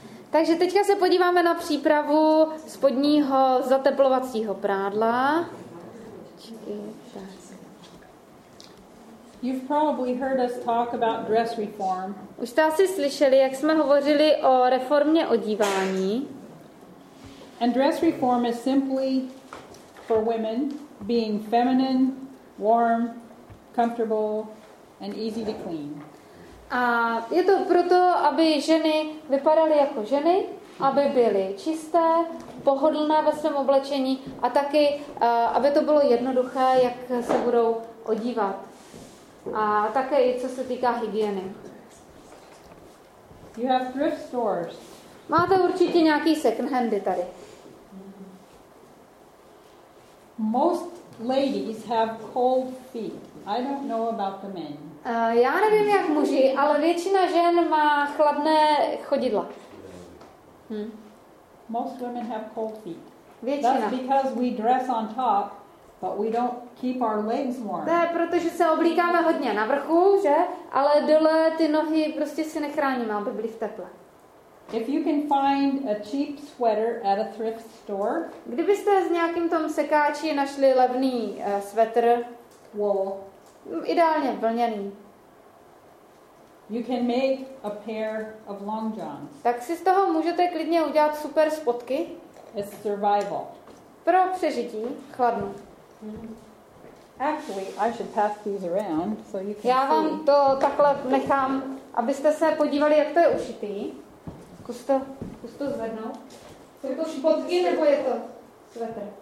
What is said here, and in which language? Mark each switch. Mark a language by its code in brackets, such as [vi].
[cs] Takže teďka se podíváme na přípravu spodního zateplovacího prádla. [en] You've probably heard us talk about dress reform. [cs] Už jste asi slyšeli, jak jsme hovořili o reformě odívání. [en] And dress reform is simply for women being feminine, warm, comfortable and easy to clean. [cs] A je to proto, aby ženy vypadaly jako ženy, aby byly čisté, pohodlné ve svém oblečení a taky, aby to bylo jednoduché, jak se budou odívat. A také i co se týká hygieny. [en] You have thrift stores. [cs] Máte určitě nějaký second handy tady. [en] Most ladies have cold feet. I don't know about the men. [cs] Já nevím jak muži, ale většina žen má chladné chodidla. [en] Most women have cold feet. [cs] Většina. [en] That's because we dress on top. But we don't keep our legs warm. [cs] Ne, protože se oblíkáme hodně na vrchu, že? Ale dole ty nohy prostě si nechráníme, aby byly v teple. [en] If you can find a cheap sweater at a thrift store, [cs] kdybyste s nějakým tom sekáči našli levný svetr, [en] wool, [cs] ideálně vlněný, [en] you can make a pair of long johns. [cs] Tak si z toho můžete klidně udělat super spodky. [en] It's survival. [cs] Pro přežití chladnu. [en] Actually, I should pass these around so you can [cs] Já [en] see. [cs] Vám to takhle nechám, abyste se podívali, jak to je ušitý. Kus to zvednout. Jsou to spodky nebo je to svetr?